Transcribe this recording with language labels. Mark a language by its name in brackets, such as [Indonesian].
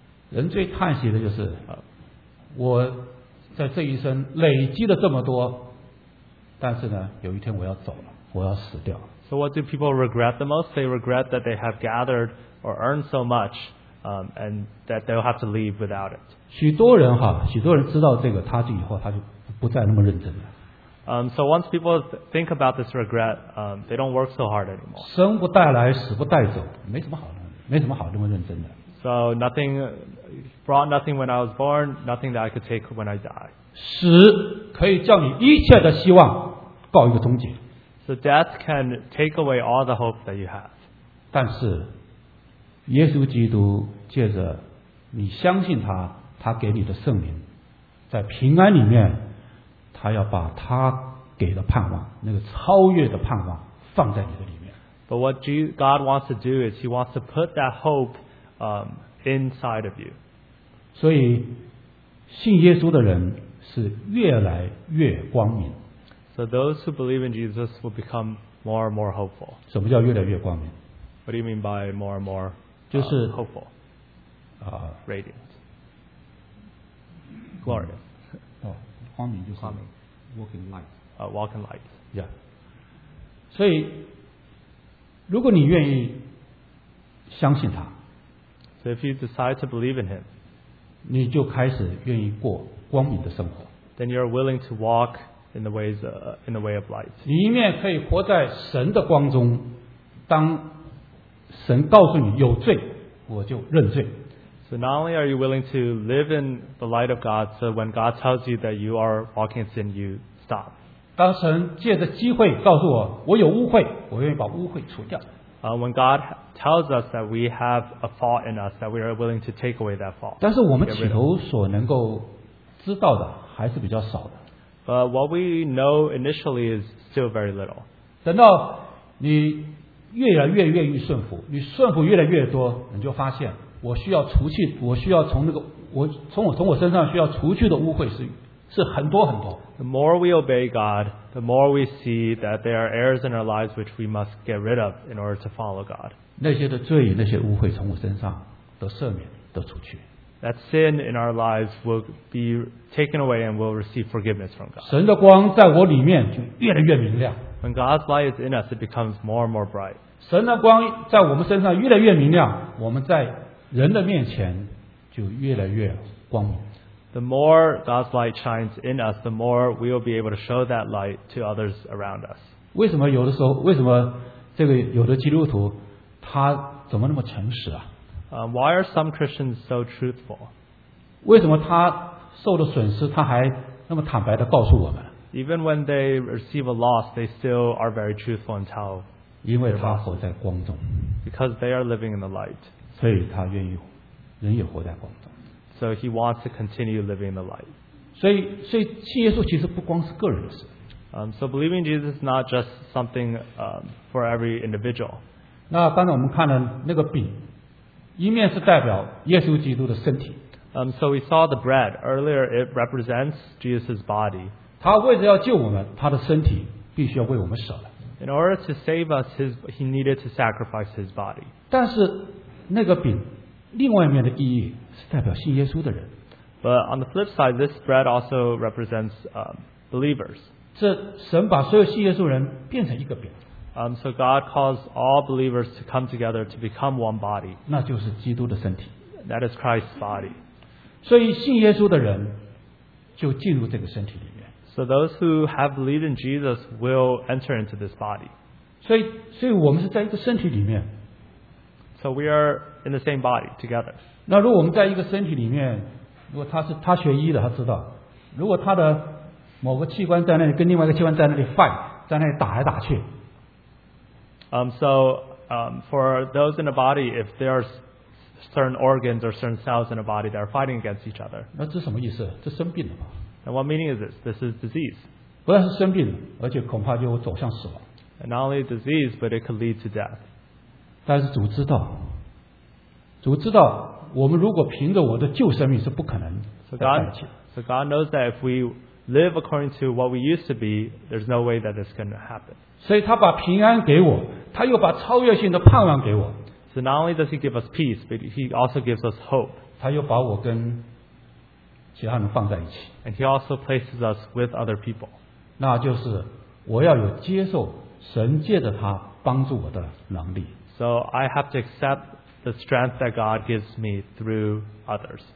[Chinese] 人最叹息的就是，我在这一生累积了这么多，但是呢，有一天我要走了，我要死掉。 [English] So what do people regret the most? They regret that they have gathered or earned so much, and that they'll have to leave without it. [Chinese] 许多人知道这个，他就以后他就不再那么认真了。 [English] So once people think about this regret, they don't work so hard anymore. [Chinese] 生不带来，死不带走，没什么好那么认真的。 [English] So nothing brought nothing when I was born, nothing that I could take when I die. [Chinese] 死可以叫你一切的希望告一个终结。 [English] So death can take away all the hope that you have. [Chinese] 但是耶稣基督借着你相信他，他给你的圣灵，在平安里面，他要把他给的盼望，那个超越的盼望放在你的里面。 [English] But what God wants to do is He wants to put that hope inside of you. [Chinese] 所以信耶稣的人是越来越光明。 [English] So those who believe in Jesus will become more and more hopeful. [Chinese] 什么叫越来越光明？ [English] What do you mean by more and more [Chinese] 就是 [English] hopeful, radiant, glorious, [Chinese] 光明就是光明 [English] walking light, walking light, yeah. [Chinese] 所以如果你愿意相信他 [English] so if you decide to believe in him, [Chinese] 你就开始愿意过光明的生活 [English] then you are willing to walk in the ways, in the way of light. [Chinese] 你一面可以活在神的光中当神告诉你有罪我就认罪 [English] So not only are you willing to live in the light of God so when God tells you that you are walking in sin you stop [Chinese] 当神借着机会告诉我我有污秽我愿意把污秽除掉 [English] When God tells us that we have a fault in us that we are willing to take away that fault [Chinese] 但是我们起头所能够知道的还是比较少的 [English] But what we know initially is still very little [Chinese] 等到你越来越愿意顺服，你顺服越来越多，你就发现我需要除去，我需要从那个我从我从我身上需要除去的污秽是很多很多。 [English] The more we obey God, the more we see that there are errors in our lives which we must get rid of in order to follow God. [Chinese] 那些的罪，那些污秽从我身上得赦免，得除去。 [English] That sin in our lives will be taken away and will receive forgiveness from God. [Chinese] 神的光在我里面就越来越明亮。 [English] When God's light is in us, it becomes more and more bright. [Chinese] 神的光在我们身上越来越明亮，我们在人的面前就越来越光明。 [English] The more God's light shines in us, the more we will be able to show that light to others around us. [Chinese] 为什么有的时候，为什么这个有的基督徒他怎么那么诚实啊？ [English] Why are some Christians so truthful? [Chinese] 为什么他受的损失，他还那么坦白地告诉我们？ [English] Even when they receive a loss, they still are very truthful and tell. [Chinese] 因为他活在光中。 [English] Because they are living in the light. [Chinese] 所以他愿意，人也活在光中。 [English] So he wants to continue living in the light. [Chinese] 所以信耶稣其实不光是个人的事。 [English] So believing in Jesus is not just something for every individual. [Chinese] 那刚才我们看了那个饼，一面是代表耶稣基督的身体。 [English] So we saw the bread earlier. It represents Jesus' body. [Chinese] 他为了要救我们，他的身体必须要为我们舍了。 [English] In order to save us, he needed to sacrifice his body. [Chinese] 但是那个饼，另外一面的意义是代表信耶稣的人。 [English] But on the flip side, this bread also represents believers. [Chinese] 这神把所有信耶稣的人变成一个饼。 [English] So God caused all believers to come together to become one body. [Chinese] 那就是基督的身体。 [English] That is Christ's body. [Chinese] 所以信耶稣的人就进入这个身体里面。 [English] So those who have believed in Jesus will enter into this body. [Chinese] 所以我们是在一个身体里面。 [English] So we are in the same body together. [Chinese] 那如果我们在一个身体里面，如果他学医的，他知道，如果他的某个器官在那里跟另外一个器官在那里 fight， 在那里打来打去。 [English] For those in the body, if there are certain organs or certain cells in the body that are fighting against each other， [Chinese] 那这什么意思？这生病了吗？ [English] And what meaning is this? This is disease. [Chinese] 不但是生病，而且恐怕就走向死亡。 [English] And not only disease, but it could lead to death. [Chinese] 但是主知道，主知道，我们如果凭着我的旧生命是不可能再站起来。 [English] So God knows that if we live according to what we used to be, there's no way that this can happen. [Chinese] 所以他把平安给我，他又把超越性的盼望给我。 [English] So not only does He give us peace, but He also gives us hope. [Chinese] 他又把我跟其他人放在一起 [English] and he also places us with other people [Chinese] 那就是我要有接受神借着他帮助我的能力 [English] so I have to accept the strength that God gives me through others